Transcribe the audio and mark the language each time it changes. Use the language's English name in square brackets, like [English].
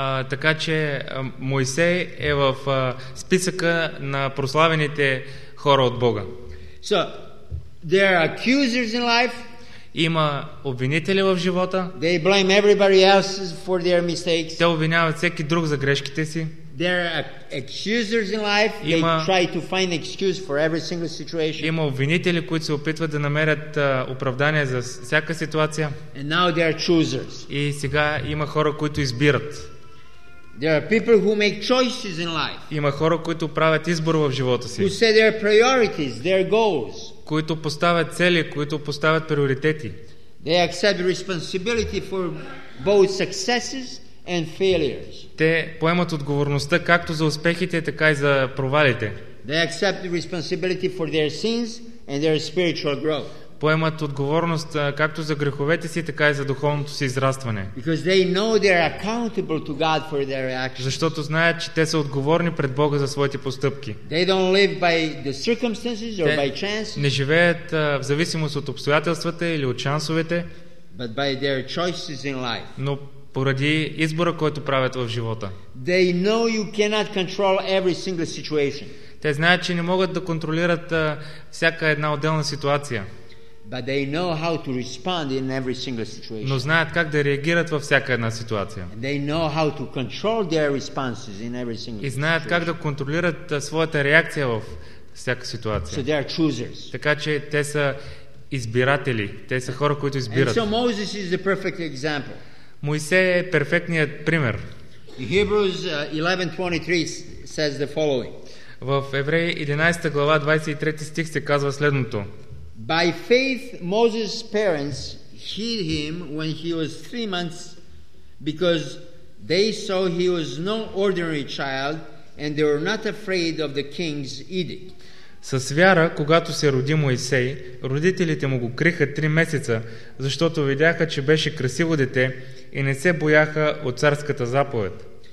[Bulgarian] Така че Моисей е в списъка на прославените хора от Бога. [English] So there are accusers in life. [Bulgarian] Има обвинители в живота. [English] They blame everybody else for their mistakes. [Bulgarian] Те обвиняват всеки друг за грешките си. [English] There are accusers in life. [Bulgarian] Има, [English] they try to find excuse for every single situation. [Bulgarian] Има обвинители, които се опитват да намерят оправдание за всяка ситуация. [English] And now there are choosers. [Bulgarian] И сега има хора, които избират. [English] There are people who make choices in life. [Bulgarian] Има хора, които правят избор в живота си. [English] Who set their priorities, their goals. [Bulgarian] Които поставят цели, които поставят приоритети. [English] They accept responsibility for both successes and failures. [Bulgarian] Те поемат отговорността както за успехите, така и за провалите. [English] They accept responsibility for their sins and their spiritual growth. [Bulgarian] Поемат отговорност както за греховете си, така и за духовното си израстване. [English] Because they know they are accountable to God for their actions. [Bulgarian] Защото знаят, че те са отговорни пред Бога за своите постъпки. [English] They don't live by the circumstances or by chance. [Bulgarian] Не живеят в зависимост от обстоятелствата или от шансовете. [English] But by their choices in life. [Bulgarian] Но поради избора, който правят в живота. [English] They know you cannot control every single situation. [Bulgarian] Те знаят, че не могат да контролират всяка една отделна ситуация. [English] But they know how to respond in every single situation. [Bulgarian] Но знаят как да реагират във всяка една ситуация. [English] And they know how to control their responses in every single situation. [Bulgarian] И знаят как да контролират своята реакция във всяка ситуация. [English] So they are choosers. [Bulgarian] Така че те са избиратели. Те са хора, които избират. [English] And so Moses is the perfect example. [Bulgarian] Моисей е перфектният пример. [English] In Hebrews 11:23 says the following. [Bulgarian] В Евреи 11 глава 23 стих се казва следното. [English] By faith Moses' parents hid him when he was 3 months because they saw he was no ordinary child and they were not afraid of the king's edict. [Bulgarian] Със вяра, когато се роди Моисей, родителите му го криха 3 месеца, защото видяха, че беше красиво дете и не се бояха от царската заповед.